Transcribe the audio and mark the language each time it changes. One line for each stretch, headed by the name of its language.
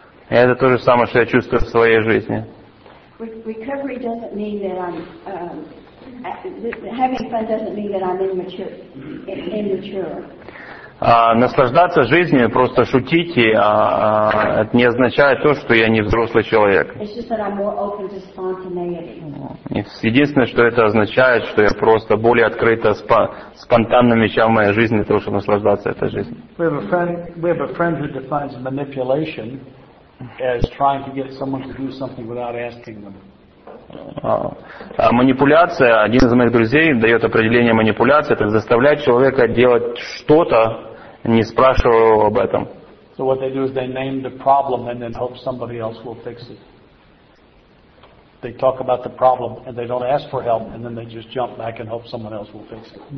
Russian: это то же самое, что я чувствую в своей жизни.
English: Recovery doesn't mean that I'm having fun doesn't mean that I'm immature.
Russian: Наслаждаться жизнью, просто шутить, это не означает то, что я не взрослый человек. Единственное, что это означает, что я просто более открыто спонтанным вещам в моей жизни, для того, чтобы наслаждаться этой жизнью. Манипуляция, один из моих друзей дает определение манипуляции, это заставлять человека делать что-то, не спрашиваю об этом.
English: So what they do is they name the problem and then hope somebody else will fix it. They talk about the problem and they don't ask for help and then they just jump back and hope someone else will fix it.